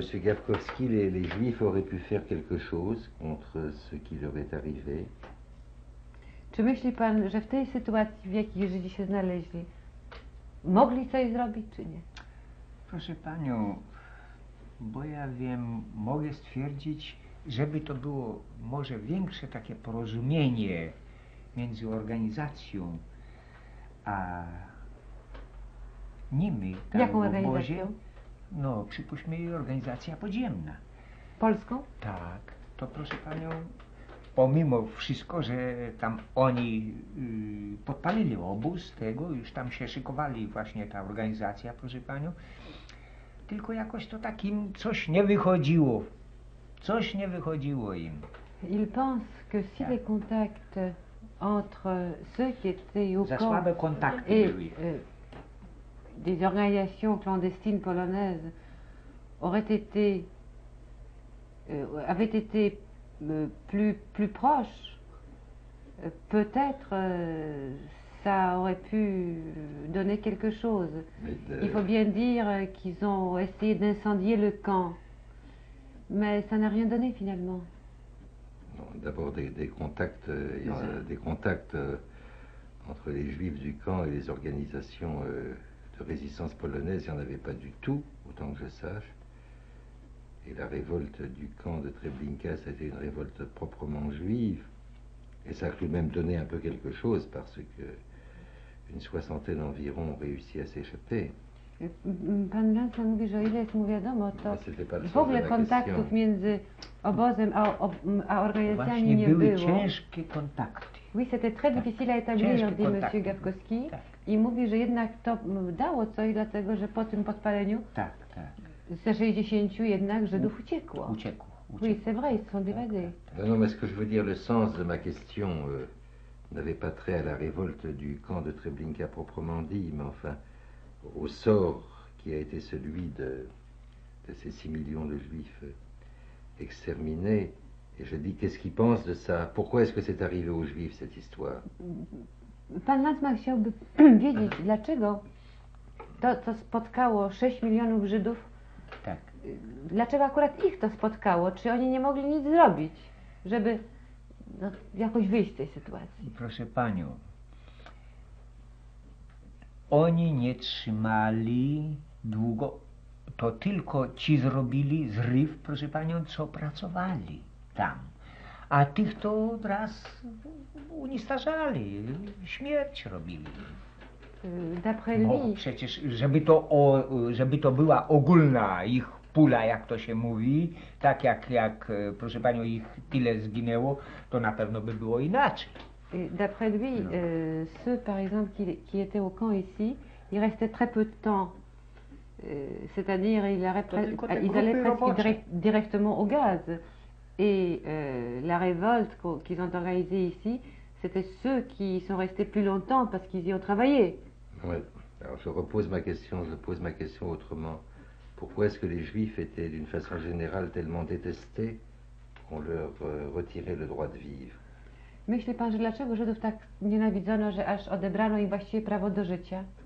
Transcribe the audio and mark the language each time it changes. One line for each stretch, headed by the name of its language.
French: Gawkowski, les Juifs auraient pu faire quelque chose contre ce qui leur est arrivé?
Polish: Czy myśli pan, że w tej sytuacji, w jakiej Żydzi się znaleźli, mogli coś zrobić, czy nie? Proszę panią, bo ja wiem, mogę stwierdzić, żeby to było może większe takie porozumienie między organizacją a nimi. Tam jaką organizacją? Obozie, no, przypuśćmy, organizacja podziemna. Polską? Tak. To proszę panią, pomimo wszystko, że tam oni podpalili obóz tego, już tam się szykowali właśnie ta organizacja, proszę panią, tylko jakoś to takim coś nie wychodziło. Coś nie wychodziło im.
French: Il pense que si les contacts entre ceux qui étaient au camp
Polish: za słabe kontakty
French: et des organisations clandestines polonaises auraient été avaient été plus proches, peut-être ça aurait pu donner quelque chose. Il faut bien dire qu'ils ont essayé d'incendier le camp. Mais ça n'a rien donné finalement. Non, d'abord des contacts, des contacts entre les juifs du camp et les organisations de résistance polonaise, il n'y en avait pas du tout, autant que je sache. Et la révolte du camp de Treblinka, c'était une révolte proprement juive. Et ça a quand même donné un peu quelque chose parce que une soixantaine environ ont réussi à s'échapper.
Polish: Pan Jansson mówi, że o ile jest mu wiadomo, to no, w ogóle kontaktów między obozem a organizacjami właśnie nie były. Były ciężkie kontakty.
French: Oui, c'était très difficile à établir,
Polish: mówi M. Gawkowski. Tak. I mówi, że jednak to dało coś, dlatego że po tym podpaleniu ze 60 jednak Żydów uciekło. Uciekło.
French: Oui, c'est vrai, ils sont évadés. Non, mais ce que je veux dire, le sens de ma question n'avait pas trait à la révolte du camp de Treblinka proprement dit, mais enfin au sort qui a été celui de ces 6 millions de juifs exterminés. Et je dis, qu'est-ce qu'ils pensent de ça? Pourquoi est-ce que c'est arrivé aux juifs, cette histoire?
Polish: Pan Lanzmann chciałby wiedzieć, dlaczego to, co spotkało 6 milionów Żydów, tak. Dlaczego akurat ich to spotkało? Czy oni nie mogli nic zrobić, żeby no, jakoś wyjść z tej sytuacji? Proszę panią, oni nie trzymali długo, to tylko ci zrobili zryw, proszę panią, co pracowali tam. A tych to od raz unistażali, śmierć robili.
French: D'après lui.
Polish: No, przecież, żeby to była ogólna ich pula, jak to się mówi, tak jak proszę panią, ich tyle zginęło, to na pewno by było inaczej.
French: D'après lui, ceux par exemple qui étaient au camp ici, ils restaient très peu de temps. C'est-à-dire, ils allaient presque directement au gaz. Et la révolte qu'ils ont organisée ici, c'était ceux qui sont restés plus longtemps parce qu'ils y ont travaillé. Ouais. Alors je repose ma question, je pose ma question autrement. Pourquoi est-ce que les Juifs étaient d'une façon générale tellement détestés qu'on leur retirait le droit de vivre?
Polish: Myśli pan, że dlaczego Żydów tak nienawidzono, że aż odebrano im właściwie prawo do życia?